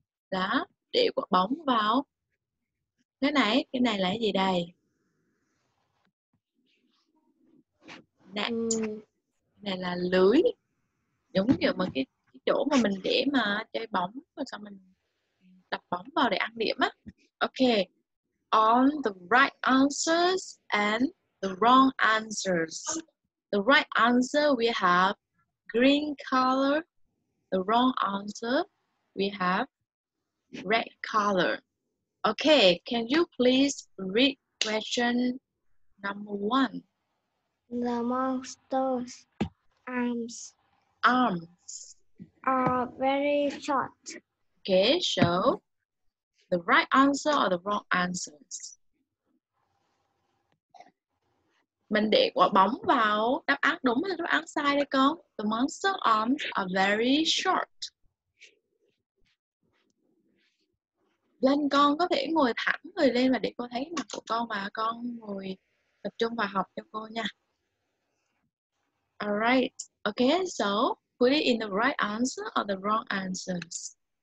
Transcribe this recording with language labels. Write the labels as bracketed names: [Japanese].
[Vietnamese] Đó, để quả bóng vào. Cái này, là cái gì đây? Net. Cái này là lưới. Giống như mà cái chỗ mà mình để mà chơi bóng và sao mình đập bóng vào để ăn điểm á. [English] Ok. On the right answers and the wrong answers. The right answer we have green color. The wrong answer we have red color. Okay, can you please read question number one? The monster's arms. Arms are very short. Okay, so the right answer or the wrong answers? [Vietnamese] Mình để quả bóng vào, đáp án đúng hay đáp án sai đây con? [English] The monster arms are very short. [Vietnamese] Lên con có thể ngồi thẳng người lên và để cô thấy mặt của con và con ngồi tập trung vào học cho cô nha. [English] Alright, okay, so put it in the right answer or the wrong answers?